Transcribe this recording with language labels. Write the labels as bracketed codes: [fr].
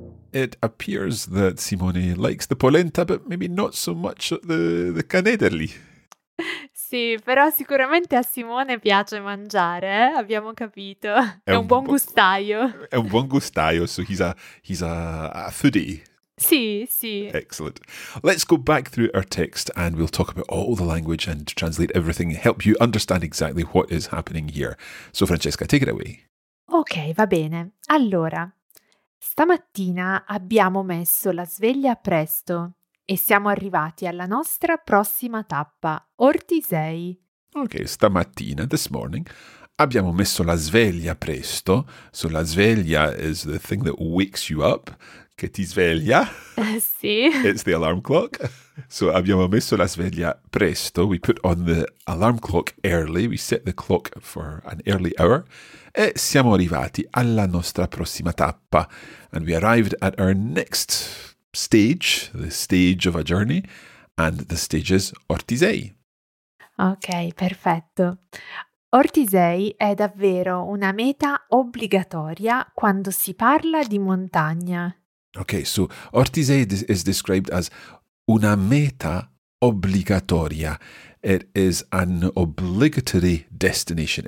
[en] It appears that Simone likes the polenta, but maybe not so much the canederli. [it] Sì, però sicuramente a Simone piace mangiare, eh? Abbiamo capito. È un buon gustaio. È un buon gustaio, [en] so he's a foodie. [it] Sì, sì. [en] Excellent. Let's go back through our text and we'll talk about all the language and translate everything, help you understand exactly what is happening here. So Francesca, take it away. [it] Ok, va bene. Allora, stamattina abbiamo messo la sveglia presto e siamo arrivati alla nostra prossima tappa, Ortisei. Ok, stamattina, [en] this morning, [it] abbiamo messo la sveglia presto. [en] So la sveglia is the thing that wakes you up, [it] che ti sveglia. Sì. [en] It's the alarm clock. [it] So abbiamo messo la sveglia presto. [en] We put on the alarm clock early. We set the clock for an early hour. [it] E siamo arrivati alla nostra prossima tappa. [en] And we arrived at our next stage, the stage of a journey, and the stage is Ortisei. [it] Ok, perfetto. Ortisei è davvero una meta obbligatoria quando si parla di montagna. [en] Ok, so Ortisei is described as [it] una meta obbligatoria. [en] It is an obligatory destination.